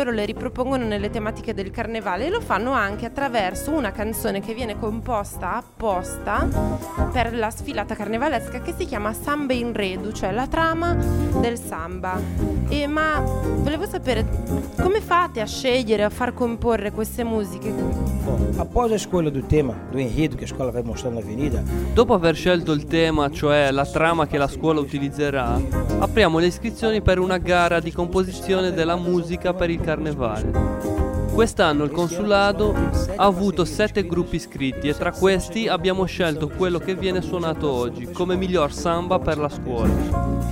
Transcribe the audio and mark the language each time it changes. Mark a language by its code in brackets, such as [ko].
[it] Loro le ripropongono nelle tematiche del carnevale, e lo fanno anche attraverso una canzone che viene composta apposta per la sfilata carnevalesca, che si chiama Samba in Redu, cioè la trama del samba. E ma volevo sapere, come fate a scegliere, a far comporre queste musiche? [pt] Após a escolha do tema do enredo que a escola vai mostrar na avenida. [it] Dopo aver scelto il tema, cioè la trama che la scuola utilizzerà, apriamo le iscrizioni per una gara di composizione della musica per il carnevale. Quest'anno il consulato ha avuto 7 gruppi iscritti, e tra questi abbiamo scelto quello che viene suonato oggi come miglior samba per la scuola.